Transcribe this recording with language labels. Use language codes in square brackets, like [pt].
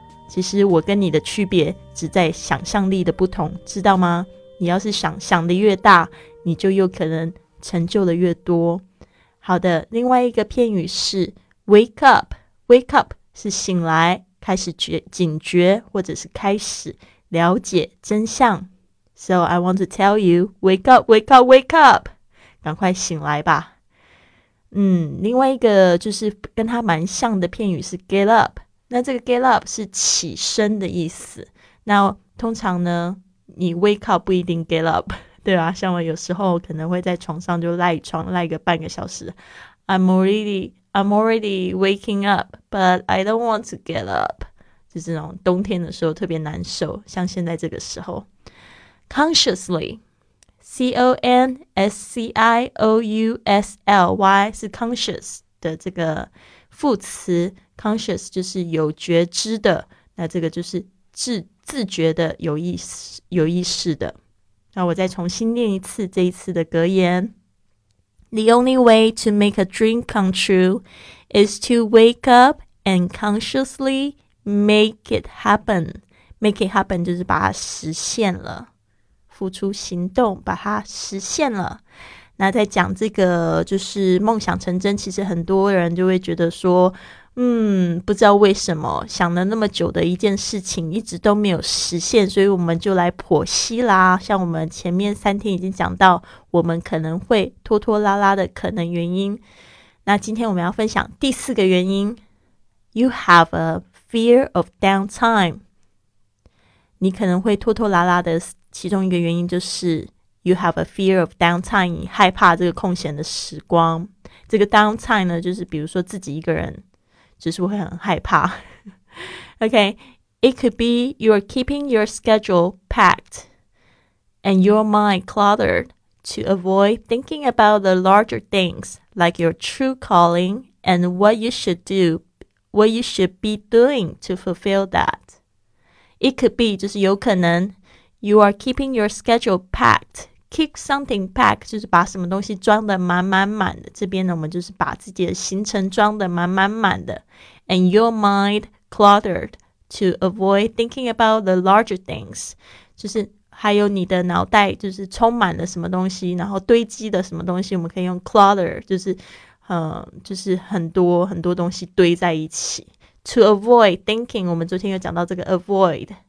[zh] 其实我跟你的区别只在想象力的不同，知道吗？你要是想的越大，你就有可能成就的越多。好的，另外一个片语是 wake up。wake up 是醒来，开始警觉，或者是开始了解真相。 [en] So I want to tell you wake up, wake up, wake up， [zh] 赶快醒来吧。另外一个就是跟它蛮像的片语是 get up。那这个 get up 是起身的意思。那通常呢，你 wake up 不一定 get up，对啊，像我有时候可能会在床上就赖床赖个半个小时。 [en] I'm already waking up, but I don't want to get up. [zh] 就是那种冬天的时候特别难受，像现在这个时候。 [en] Consciously, C-O-N-S-C-I-O-U-S-L-Y 是 conscious [zh] 的这个副词。 Conscious 就是有觉知的，那这个就是 自觉的有意识的。那我再重新念一次这一次的格言。 [en] The only way to make a dream come true is to wake up and consciously make it happen. Make it happen [zh] 就是把它实现了，付出行动把它实现了。那在讲这个就是梦想成真，其实很多人就会觉得说不知道为什么想了那么久的一件事情一直都没有实现，所以我们就来剖析啦。像我们前面三天已经讲到我们可能会拖拖拉拉的可能原因，那今天我们要分享第四个原因。 [en] You have a fear of downtime. [zh] 你可能会拖拖拉拉的其中一个原因就是 [en] You have a fear of downtime. [zh] 你害怕这个空闲的时光。这个 downtime 呢，就是比如说自己一个人就是会很害怕。 [en] OK, it could be you're keeping your schedule packed and your mind cluttered to avoid thinking about the larger things like your true calling and what you should be doing to fulfill that. It could be, [zh] 就是有可能 [en] you are keeping your schedule packed. Keep something packed [zh] 就是把什么东西装得满满满的，这边呢我们就是把自己的行程装得满满满的。 [en] And your mind cluttered to avoid thinking about the larger things， [zh] 就是还有你的脑袋就是充满了什么东西，然后堆积的什么东西，我们可以用 clutter， 就是很多很多东西堆在一起。 [en] To avoid thinking， [zh] 我们昨天有讲到这个 avoid